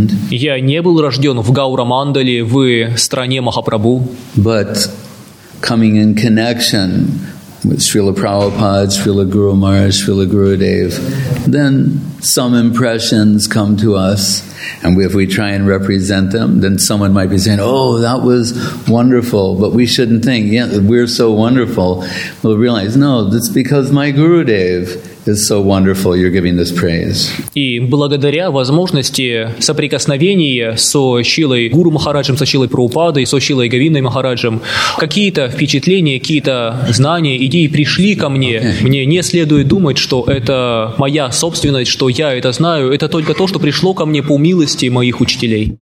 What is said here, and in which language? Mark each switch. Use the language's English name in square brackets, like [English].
[Russian] Я не был рожден в Гаурамандале, в стране Махапрабху. [English] But coming in connection with Srila Prabhupada, Srila Guru Maharaj, Srila Gurudev, then some impressions come to us, and if we try and represent them, then someone might be saying, oh, that was wonderful, but we shouldn't think, yeah, we're so wonderful. We'll realize, no, that's because my Gurudev is so wonderful, you're giving this praise. [Russian] И благодаря возможности соприкосновения со Шилой Гуру Махараджем, со Шилой Прабхупадой, со Шилой Говиндой Махараджем, какие-то впечатления, какие-то знания, идеи пришли ко мне. [English] Okay. [Russian] Мне не следует думать, что это моя собственность, что я это знаю. Это только то, что пришло ко мне по милости моих учителей.